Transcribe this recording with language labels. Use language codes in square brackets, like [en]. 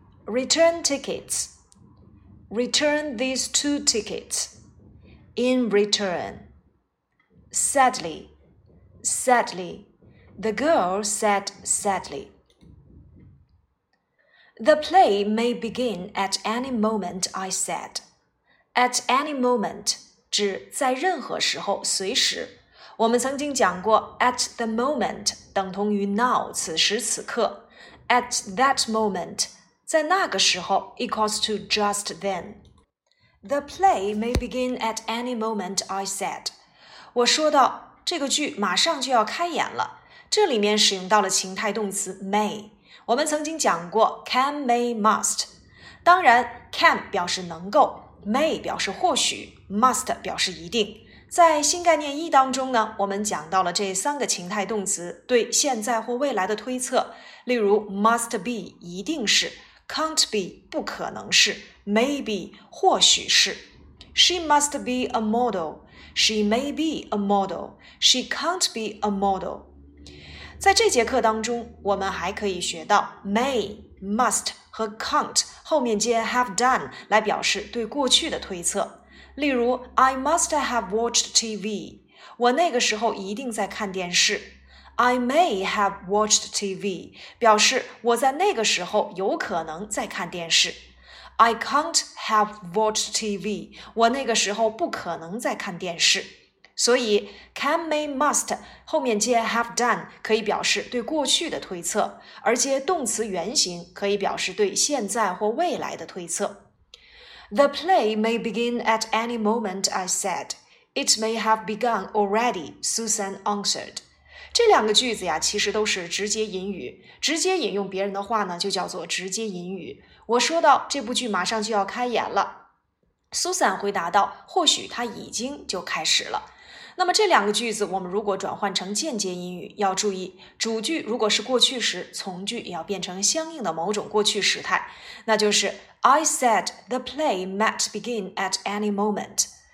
[en] Return tickets. Return these 2 tickets. In return. Sadly, sadly, the girl said sadly. The play may begin at any moment, I said. At any moment, [zh] 指在任何时候，随时。我们曾经讲过 [en] at the moment [zh] 等同于 now, 此时此刻。 [en] At that moment, [zh] 在那个时候 [en] equals to just then. The play may begin at any moment, I said. [zh] 我说到这个剧马上就要开演了，这里面使用到了情态动词 may。我们曾经讲过 can, may, must。当然 can 表示能够 ，may 表示或许 ，must 表示一定。在新概念一当中呢，我们讲到了这3个情态动词对现在或未来的推测，例如 must be 一定是 ，can't be 不可能是 ，maybe 或许是。 [en] She must be a model. She may be a model. She can't be a model. [zh] 在这节课当中，我们还可以学到 may, must 和 can't 后面接 have done 来表示对过去的推测。例如 [en] I must have watched TV. [zh] 我那个时候一定在看电视。 [en] I may have watched TV. [zh] 表示我在那个时候有可能在看电视。 [en] I can't have watched TV. [zh] 我那个时候不可能在看电视。所以 can, may, must 后面接 have done 可以表示对过去的推测，而接动词原形可以表示对现在或未来的推测。 [en] The play may begin at any moment, I said. It may have begun already, Susan answered. [zh] 这两个句子呀，其实都是直接引语，直接引用别人的话呢，就叫做直接引语。我说到这部剧马上就要开演了，苏珊回答道，或许它已经就开始了。那么这两个句子我们如果转换成间接引语，要注意主句如果是过去时，从句也要变成相应的某种过去时态，那就是 [en] I said the play might begin at any moment.